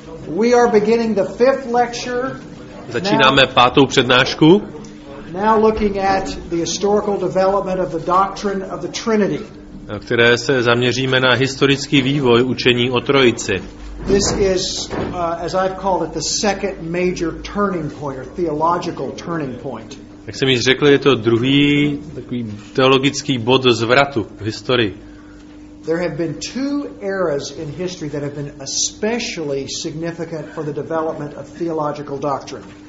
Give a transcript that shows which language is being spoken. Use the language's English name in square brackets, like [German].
[English] We are beginning the fifth lecture. [Czech] Začínáme pátou přednášku. [English] Now looking at the historical development of the doctrine of the Trinity. [Czech] Které se zaměříme na historický vývoj učení o Trojici. [English] This is, as I've called it, the second major turning point or theological turning point. [Czech] Jak jsem již řekl, je to druhý takový teologický bod zvratu v historii. [English] There have been two eras in history that have been especially significant for the development of theological doctrine.